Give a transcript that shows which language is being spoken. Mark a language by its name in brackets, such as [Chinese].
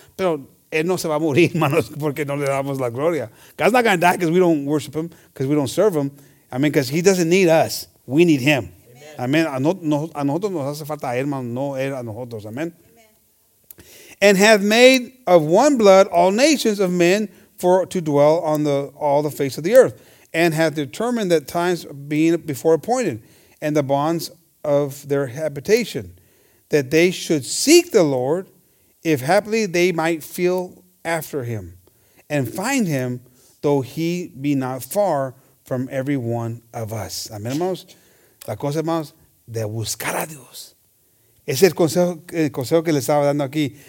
[Spanish] Pero él no se va a morir, hermanos, porque no le damos la gloria. [English] God's not going to die because we don't worship him, because we don't serve him. I mean, because he doesn't need us. We need him. Amen. Amen. [Spanish] A nosotros nos hace falta a él, hermano, no él a nosotros. [English] Amen. And hath made of one blood all nations of men for to dwell on all the face of the earth, and hath determined that times being before appointed, and the bonds of their habitation, that they should seek the Lord, if happily they might feel after him, and find him, though he be not far from every one of us. [Spanish] Amen, hermanos. La cosa, hermanos, de buscar a Dios. Es el consejo que le estaba dando aquí.